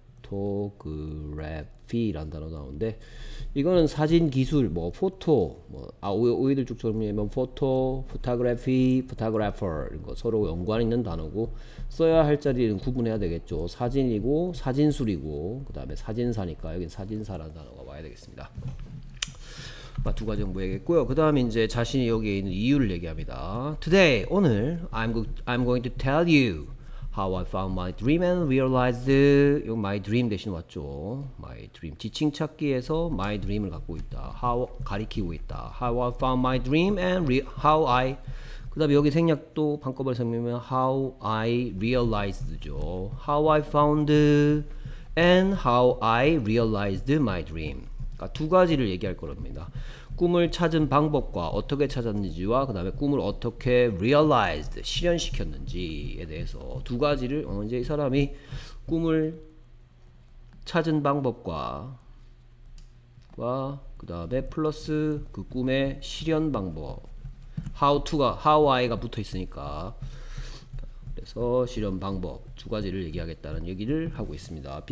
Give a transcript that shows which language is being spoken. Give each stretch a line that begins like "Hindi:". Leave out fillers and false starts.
Korean: 포토그래피라는 단어 나오는데 이거는 사진 기술 뭐 포토 뭐아 오이들 쭉 정리하면 포토, 포토그래피, 포토그래퍼 이런 거 서로 연관 있는 단어고 써야 할 자리는 구분해야 되겠죠. 사진이고 사진술이고 그다음에 사진사니까 여긴 사진사라는 단어가 와야 되겠습니다. 두 가지 정보 얘기했고요. 그 다음에 이제 자신이 여기에 있는 이유를 얘기합니다.
English: Today 오늘 I'm going to tell you How I found my dream and realized 요 my dream
Korean: 대신 왔죠. My dream 지칭 찾기에서 my dream을 갖고 있다. How 가리키고 있다.
English: How I found my dream and how I
Korean: 그다음에 여기 생략도 반꺼번에 설명하면
English: how I realized죠. How I found and how I realized my dream.
Korean: 그러니까 두 가지를 얘기할 거랍니다. 꿈을 찾은 방법과 어떻게 찾았는지와 그 다음에 꿈을 어떻게 realized, 실현시켰는지에 대해서 두 가지를 이제 이 사람이 꿈을 찾은 방법과 그 다음에 플러스 그 꿈의 실현 방법 how I가 붙어 있으니까 그래서 실현 방법 두 가지를 얘기하겠다는 얘기를 하고 있습니다.